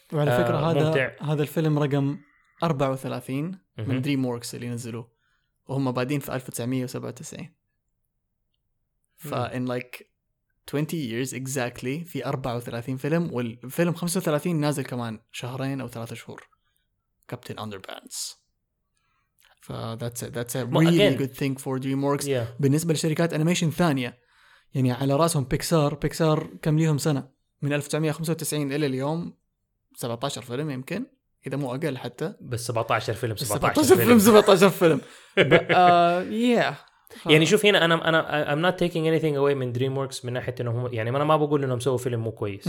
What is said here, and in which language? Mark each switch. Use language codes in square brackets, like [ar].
[ar] وعلى فكره هذا الفيلم رقم 34 من دريم ووركس اللي نزلوه وهم بادين في 1997 فان لايك [en] 20 years exactly [ar] في 34 فيلم, والفيلم 35 نازل كمان شهرين أو ثلاثة شهور. كابتن أندربانس. [en] That's a really again, good thing for DreamWorks. Yeah. [ar] بالنسبة لشركات أنيميشن ثانية يعني على رأسهم بيكسار. بيكسار كم ليهم سنة من 1995 إلى اليوم؟ 17 فيلم يمكن, إذا مو أقل حتى. بس 17 فيلم 17 فيلم. yeah. يعني شوف هنا أنا [en] I'm not taking anything away [ar] من DreamWorks من ناحية إنهم يعني أنا ما بقول إنهم سووا فيلم مو كويس.